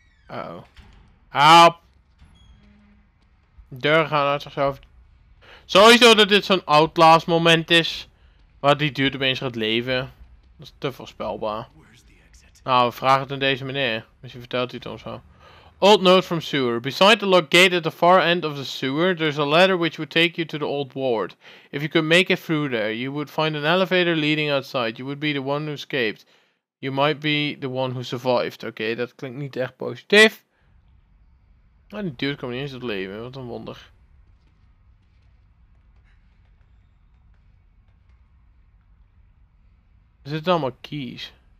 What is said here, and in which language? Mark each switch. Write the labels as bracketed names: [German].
[Dutch] Uh-oh. Help! Deuren gaan uit zichzelf. Sowieso dat dit zo'n outlast moment is. Waar die duurt opeens gaat leven. Dat is te voorspelbaar. Nou, we vragen het aan deze meneer. Misschien vertelt hij het ons wel. [English] Old note from sewer. Beside the locked gate at the far end of the sewer, there's a ladder which would take you to the old ward. If you could make it through there, you would find an elevator leading outside. You would be the one who escaped. You might be the one who survived. [Dutch] Oké, dat klinkt niet echt positief. Maar die dude komt niet eens het leven. Wat een wonder. Er zitten allemaal keys.